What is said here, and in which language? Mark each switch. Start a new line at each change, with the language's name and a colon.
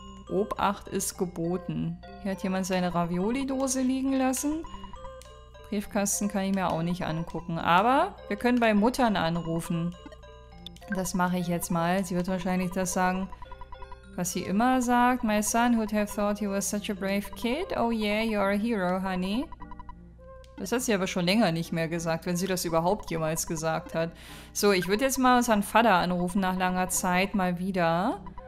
German: Obacht ist geboten. Hier hat jemand seine Ravioli-Dose liegen lassen. Briefkasten kann ich mir auch nicht angucken. Aber wir können bei Muttern anrufen. Das mache ich jetzt mal. Sie wird wahrscheinlich das sagen, was sie immer sagt.
English: My son would have thought you were such a brave kid. Oh yeah, you're a hero, honey.
German: Das hat sie aber schon länger nicht mehr gesagt, wenn sie das überhaupt jemals gesagt hat. So, ich würde jetzt mal unseren Vater anrufen nach langer Zeit mal wieder.